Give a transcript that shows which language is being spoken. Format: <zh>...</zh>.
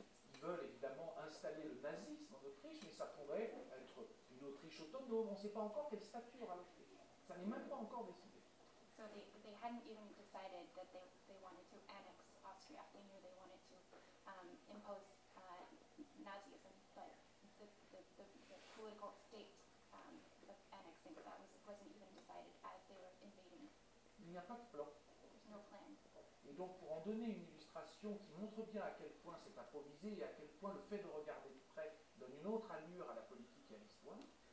<fr>Ils veulent évidemment installer le nazisme en Autriche, mais ça pourrait être une Autriche autonome. On ne sait pas encore quel statut aura l'Autriche. Ça n'est même pas encore décidé.</fr> <en>So they hadn't even decided that they wanted to annex Austria. They knew they wanted to impose Nazism, but the political state of annexing that wasn't even decided as they were invading.</en> <fr>Il n'y a pas de plan.</fr> <en>There's no plan.</en> <fr>Et donc pour en donner une illustration qui montre bien à quel point c'est improvisé et à quel point le fait de regarder de près donne une autre allure à la politique et à l'histoire.</fr>